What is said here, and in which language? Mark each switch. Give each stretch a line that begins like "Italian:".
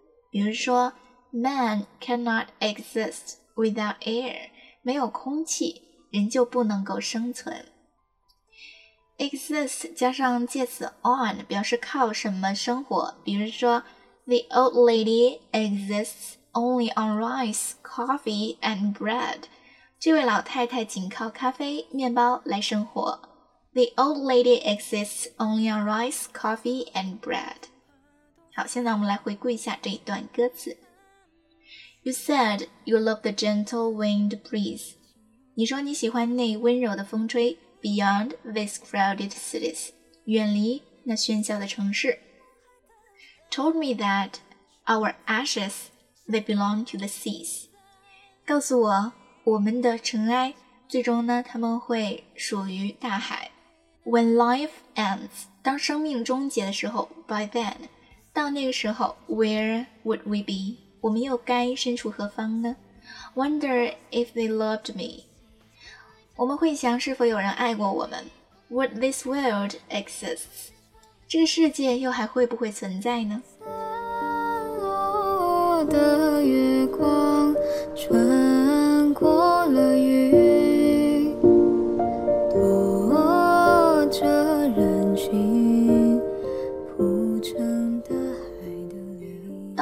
Chinese: 比如说 ，
English: man cannot exist without air，
Chinese: 没有空气，人就不能够生存。
English: Exist
Chinese: 加上介词
English: on
Chinese: 表示靠什么生活，比如说
English: ，The old lady exists only on rice, coffee, and bread。
Chinese: 这位老太太仅靠咖啡、面包来生活。
English: The old lady exists only on rice, coffee, and bread。
Chinese: 好，现在我们来回顾一下这一段歌词。
English: You said you love the gentle wind breeze。
Chinese: 你说你喜欢那温柔的风吹。
English: Beyond these crowded cities,
Chinese: 远离那喧嚣的城市。
English: Told me that our ashes, they belong to the seas.
Chinese: 告诉我，我们的尘埃，最终呢，他们会属于大海。
English: When life ends,
Chinese: 当生命终结的时候
English: ，by then,
Chinese: 到那个时候
English: ，where would we be?
Chinese: 我们又该身处何方呢 ？
English: Wonder if they loved me.
Chinese: 我们会想是否有人爱过我们
English: Would this world exist?
Chinese: 这个世界又还会不会存在呢散落的月光穿过了雨躲着人群铺成大海的泥